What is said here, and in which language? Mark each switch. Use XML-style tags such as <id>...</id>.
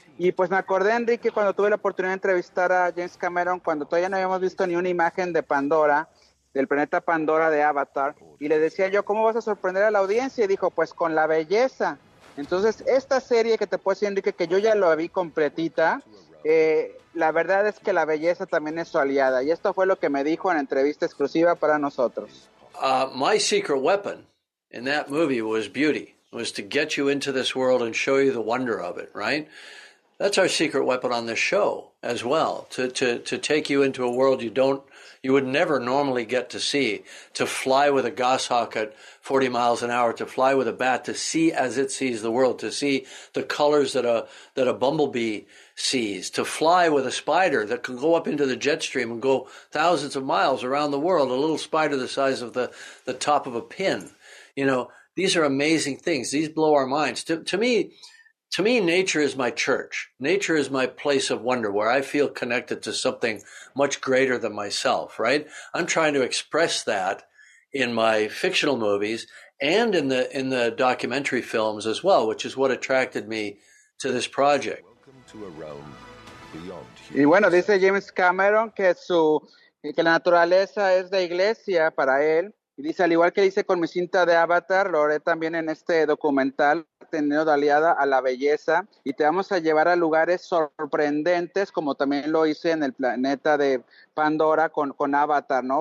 <es>Y pues me acordé, Enrique, cuando tuve la oportunidad de entrevistar a James Cameron, cuando todavía no habíamos visto ni una imagen de Pandora, del planeta Pandora de Avatar, y le decía yo, ¿cómo vas a sorprender a la audiencia? Y dijo, pues con la belleza. Entonces, esta serie que te puedo decir, Enrique, que yo ya la vi completita, la verdad es que la belleza también es su aliada, y esto fue lo que me dijo en entrevista exclusiva para nosotros.</es> <en>My secret weapon in that movie was beauty. It was to get you into this world and show you the wonder of it, right? That's our secret weapon on this show as well, to take you into a world you would never normally get to see, to fly with a goshawk at 40 miles an hour, to fly with a bat, to see as it sees the world, to see the colors that a bumblebee sees, to fly with a spider that can go up into the jet stream and go thousands of miles around the world, a little spider the size of the top of a pin. You know, these are amazing things. These blow our minds. To me, To me, nature is my church. Nature is my place of wonder where I feel connected to something much greater than myself, right? I'm trying to express that in my fictional movies and in the documentary films as well, which is what attracted me to this project. Welcome to a realm beyond humans.</en> <es>Y bueno, dice James Cameron que la naturaleza es de iglesia para él. Y dice, al igual que hice con mi cinta de Avatar, lo haré también en este documental, teniendo de aliada a la belleza. Y te vamos a llevar a lugares sorprendentes, como también lo hice en el planeta de Pandora con Avatar, ¿no?</es>